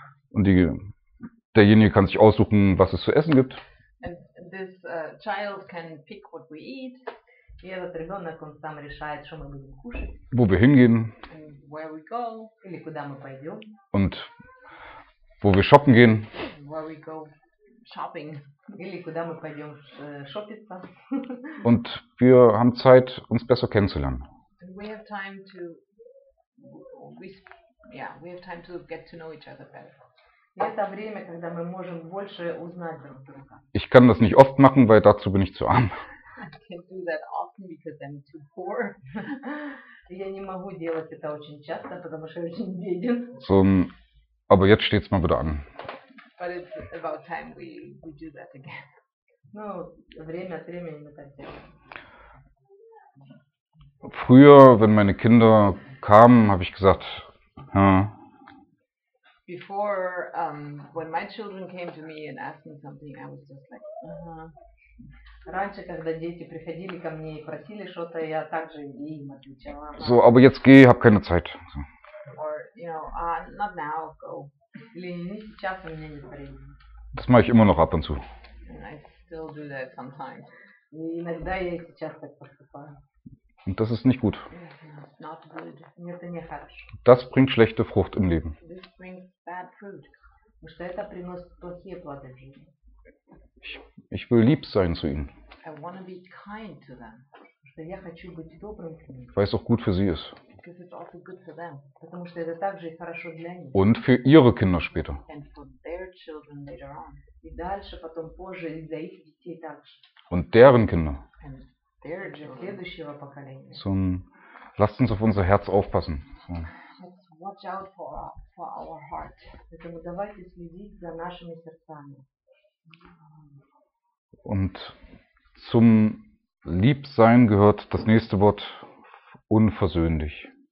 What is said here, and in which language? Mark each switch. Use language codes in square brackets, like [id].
[de] Und derjenige kann sich aussuchen, was es zu essen gibt. [en] And this child can pick what we eat. [ru] И этот ребенок он сам решает, что мы будем кушать. [de] Wo wir hingehen. [en] Where we go. [ru] Или куда мы пойдем. [de] Und wo wir shoppen gehen. [en] Where we go shopping. [ru] Или куда мы пойдем шопиться. [de] Und wir haben Zeit, uns besser kennenzulernen. [en] We have time to we have time to get to know each other better. [ru] Это время, когда мы можем больше узнать друг друга. [de] Ich kann das nicht oft machen, weil dazu bin ich zu arm. [en] I can't do that often because I'm too poor. [ru] Я не могу делать это очень часто, потому что я очень беден. [de] So, aber jetzt steht's mal wieder an. [en] But it's about time we do that again. [ru] Ну, время от времени мы так делаем. [de] Früher, wenn meine Kinder kamen, habe ich gesagt, [en] Before, when my children came to me and asked me something, I was just like, [ru] Раньше, когда дети приходили ко мне и просили что-то, я также и им отвечала. [de] So, aber jetzt geh, hab keine Zeit. [en] So. Or, not now, go. [ru] Или не сейчас, у меня нет времени. [de] Das mache ich immer noch ab und zu. [en] And I still do that sometimes. [ru] И иногда я и сейчас так поступаю. [de] Und das ist nicht gut. [en] Not good. [ru] Это не хорошо. [de] Das bringt schlechte Frucht im Leben. [en] This brings bad fruit. [ru] Потому что это приносит плохие плоды в жизни. [de] Ich will lieb sein zu ihnen. [en] I want to be kind to them. [ru] Я хочу быть добрым к ним. [de] Weil es auch gut für sie ist. [en] Because it's also good for them. [ru] Потому что это также хорошо для них. [de] Und für ihre Kinder später. [en] And for their children later on. [ru] И дальше, потом позже, и для их детей также. [de] Und deren Kinder. [en] And their [ru] следующего поколения. [de] So, lasst uns auf unser Herz aufpassen. [en] So. Let's watch out for our heart. [ru] Поэтому давайте следить за нашими сердцами. [de] Und zum Liebsein gehört das nächste Wort unversöhnlich.